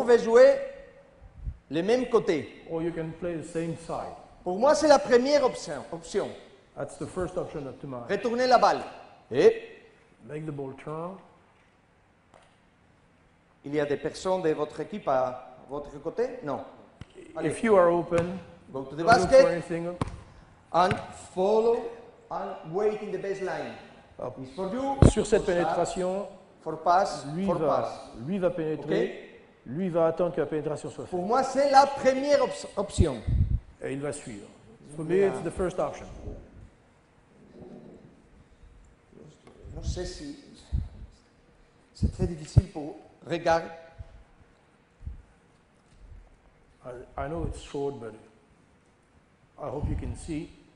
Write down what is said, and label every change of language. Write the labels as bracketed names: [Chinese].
[French] Pouvez jouer le même côté. [English] Or you can play the same side. [French] Pour moi, c'est la première option. [English] That's the first option of tomorrow. [French] Retourner la balle. Et [English] make the ball turn. [French] Il y a des personnes de votre équipe à votre côté? Non. [English] Allez. If you are open, go to the basket and follow and wait in the baseline. It's for you. [French] Sur cette pénétration, [English] for pass, [French] lui, [English] for [French] va, [English] pass. [French] Lui va pénétrer, okay. Lui va attendre que la pénétration soit faite. Pour moi, c'est la première option. Et il va suivre. [English] For me, it's the first option. [French] Non, je sais si c'est très difficile pour regarder. [English] I know it's short, but I hope you can see.